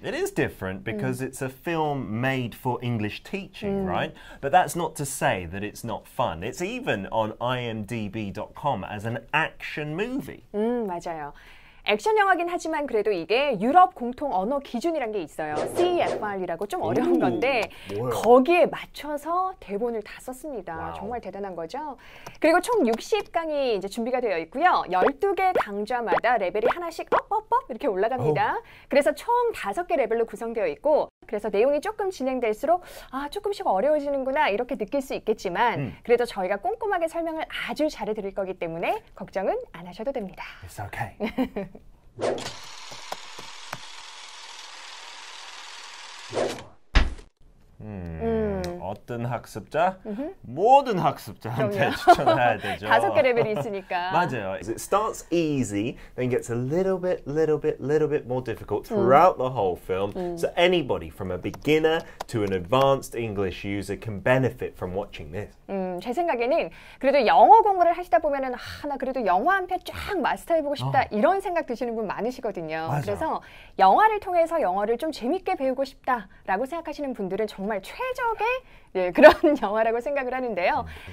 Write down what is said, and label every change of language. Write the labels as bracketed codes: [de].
[en] It is different because it's a film made for English teaching, right? But that's not to say that it's not fun. It's even on IMDb.com as an action movie. [ko] 맞아요. 액션 영화긴 하지만 그래도 이게 유럽 공통 언어 기준이란 게 있어요. CFR이라고 좀 어려운 건데 거기에 맞춰서 대본을 다 썼습니다. 와우. 정말 대단한 거죠. 그리고 총 60강이 이제 준비가 되어 있고요. 12개 강좌마다 레벨이 하나씩 업업업 이렇게 올라갑니다. 그래서 총 5개 레벨로 구성되어 있고 그래서 내용이 조금 진행될수록 아 조금씩 어려워지는구나 이렇게 느낄 수 있겠지만 그래도 저희가 꼼꼼하게 설명을 아주 잘해 드릴 거기 때문에 걱정은 안 하셔도 됩니다. [en] It's okay. [ko] Mm. 학습자? Mm-hmm. 모든 학습자한테 추천해야 되죠. 다섯 개 레벨이 있으니까. 맞아요. [en] It starts easy, then gets a little bit more difficult throughout the whole film. So anybody from a beginner to an advanced English user can benefit from watching this. [ko] 제 생각에는 그래도 영어 공부를 하시다 보면은 하나 그래도 영화 한 편 쫙 마스터해보고 싶다 이런 생각 드시는 분 많으시거든요. 맞아. 그래서 영화를 통해서 영어를 좀 재밌게 배우고 싶다라고 생각하시는 분들은 정말 최적의 네, 그런 영화라고 생각을 하는데요.